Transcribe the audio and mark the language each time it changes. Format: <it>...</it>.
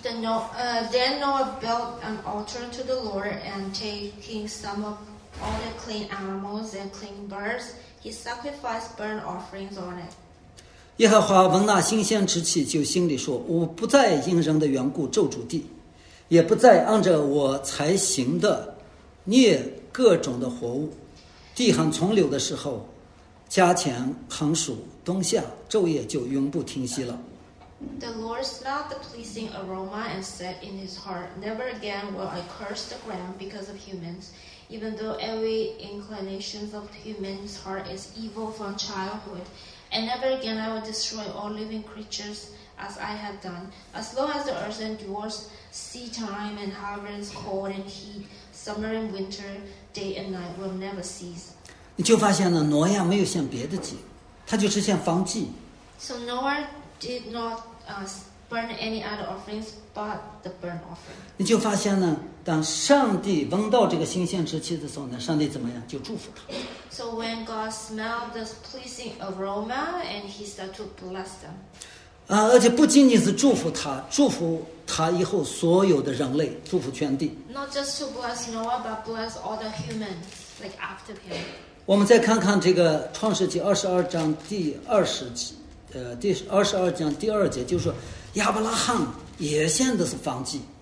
<en>Then Noah built an altar to the Lord and taking some of all the clean animals and clean birds, he sacrificed burnt offerings on it.</en> <zh>耶和华闻那馨香之气，就心里说：“我不再因人的缘故咒诅地，也不再按着我才行的捏各种的活物。地上存留的时候，家前横暑，冬夏昼夜就永不停息了。”</zh> <en>The Lord smelled the pleasing aroma and said in his heart, "Never again will I curse the ground because of humans, even though every inclination of humans' heart is evil from childhood." And never again I will destroy all living creatures as I have done. As long as the earth endures, sea time and harvest, cold and heat, summer and winter, day and night will never cease.</en> <zh>你就发现了，挪亚没有献别的祭，他就是献燔祭。</zh> <en>So Noah did not burn any other offerings but the burnt offering.</en> <zh>你就发现呢，当上帝闻到这个馨香之气的时候呢，上帝怎么样？就祝福他。</zh> <en>So when God smelled this pleasing aroma and he started to bless them.</en> <zh>而且不仅仅是祝福他，祝福他以后所有的人类，祝福全地。</zh> <en>Not just to bless Noah, but bless all the humans, like after him.</en> <zh>我们再看看这个创世纪二十二章第二十节，第二十二章第二节，就是说亚伯拉罕也献的是燔祭。</zh>